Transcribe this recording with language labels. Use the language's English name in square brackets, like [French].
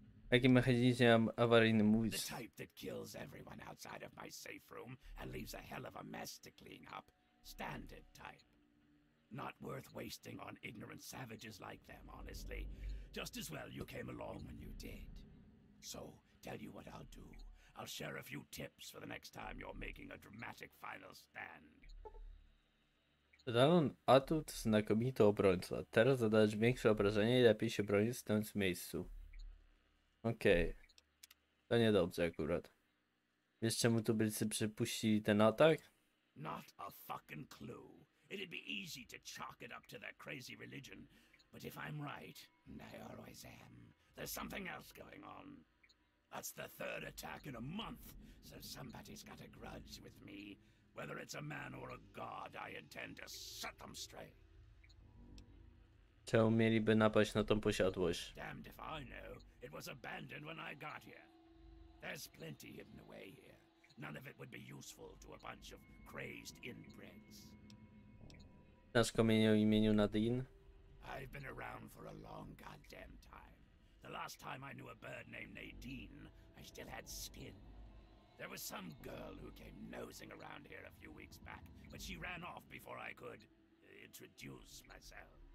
[Polish] Jaki mechanizm awaryjny mówisz? [English] The type that kills everyone outside of my safe room and leaves a hell of a mess to clean up. Standard type. Not worth wasting on ignorant savages like them, honestly. Just as well you came along when you did. So... Tell you what I'll do. I'll share a few tips for the next time you're making a dramatic final stand. [Polish] Zadałem atut znakomity obrońca. Teraz zadać większe obrażenie i lepiej się bronić stąd w miejscu. Okej. Okay. To niedobrze akurat. Wiesz, czemu tubylcy przypuścili ten atak? [English] Not a fucking clue. It'd be easy to chalk it up to their crazy religion. But if I'm right, and I always am, there's something else going on. That's the third attack in a month, so somebody's got a grudge with me. Whether it's a man or a god, I intend to set them straight. [Polish] Czemu mieliby napaść na tą posiadłość? [English] Damned if I know. It was abandoned when I got here. There's plenty hidden away here. None of it would be useful to a bunch of crazed inbreds. [Polish] Nasz kamień o imieniu Nadine? [English] I've been around for a long goddamn time. The last time I knew a bird named Nadine, I still had skin. There was some girl who came nosing around here a few weeks back, but she ran off before I could introduce myself.